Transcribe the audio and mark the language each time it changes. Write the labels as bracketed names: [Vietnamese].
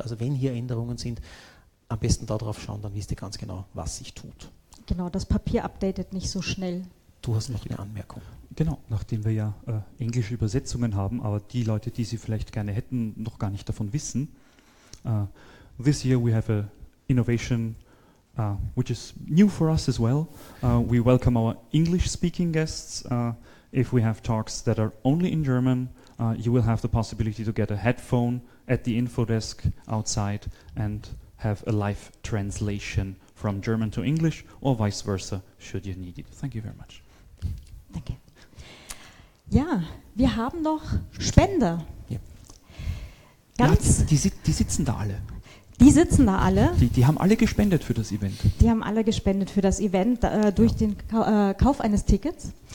[German] Also wenn hier Änderungen sind, am besten darauf schauen, dann wisst ihr ganz genau, was sich tut. Genau, das Papier updatet nicht so schnell. Du hast noch eine Anmerkung. Genau, nachdem wir ja englische Übersetzungen haben, aber die Leute, die sie vielleicht gerne hätten, noch gar nicht davon wissen. [English] This year we have an innovation which is new for us as well. We welcome our English-speaking guests. If we have talks that are only in German, you will have the possibility to get a headphone at the info desk outside and have a live translation from German to English or vice versa, should you need it. Thank you very much. [German] Danke. Ja, wir haben noch Spender. Ja. Ganz. Ja, die sitzen da alle. Die sitzen da alle. Die haben alle gespendet für das Event. Die haben alle gespendet für das Event durch den Kauf eines Tickets.